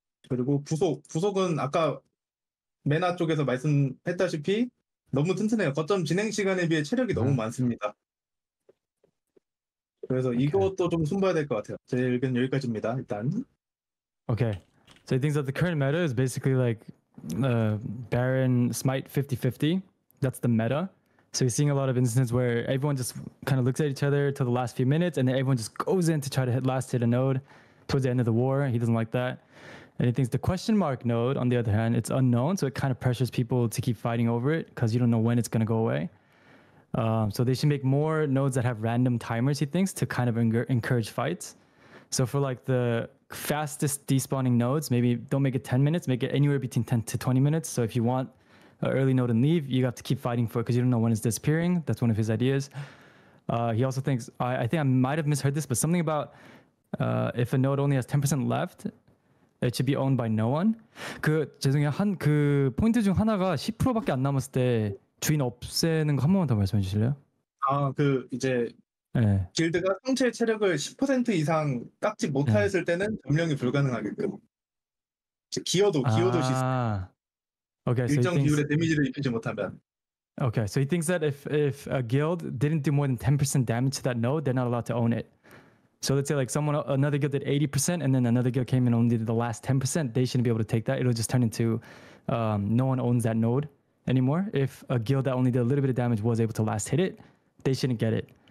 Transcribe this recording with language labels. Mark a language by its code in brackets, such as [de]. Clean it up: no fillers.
[ko] 그리고 부속은 아까 메나 쪽에서 말씀했다시피 너무 튼튼해요. 거점 진행 시간에 비해 체력이 너무 많습니다. 그래서 이것도 오케이. 좀 손봐야 될 것 같아요. 제 의견 여기까지입니다. 일단. [en] Okay. So I think that the current meta is basically like Baron Smite 50-50. That's the meta. So you're seeing a lot of instances where everyone just kind of looks at each other till the last few minutes, and then everyone just goes in to try to last hit a node towards the end of the war. He doesn't like that. And he thinks the question mark node, on the other hand, it's unknown. So it kind of pressures people to keep fighting over it because you don't know when it's going to go away. So they should make more nodes that have random timers, he thinks, to kind of encourage fights. So for like the fastest despawning nodes, maybe don't make it 10 minutes, make it anywhere between 10 to 20 minutes. So if you want an early node and leave, you have to keep fighting for it because you don't know when it's disappearing. That's one of his ideas. He also thinks, I think I might have misheard this, but something about if a node only has 10% left, it should be owned by no one. [ko] 그 죄송해요. 한 그 포인트 중 하나가 10%밖에 안 남았을 때 주인 없애는 거 한 번만 더 말씀해 주실래요? 아, 그 이제 네. 길드가 성체 체력을 10% 이상 깎지 못하였을 네. 때는 점령이 불가능하게끔. 기어도 시스템. 오케이. 일정 비율의 데미지를 입히지 못하면. [en] Okay, so he thinks that if a guild didn't do more than 10% damage to that node, they're not allowed to own it. So let's say like someone, another guild did 80% and then another guild came in and only did the last 10%. They shouldn't be able to take that. It'll just turn into no one owns that node anymore. If a guild that only did a little bit of damage was able to last hit it, they shouldn't get it.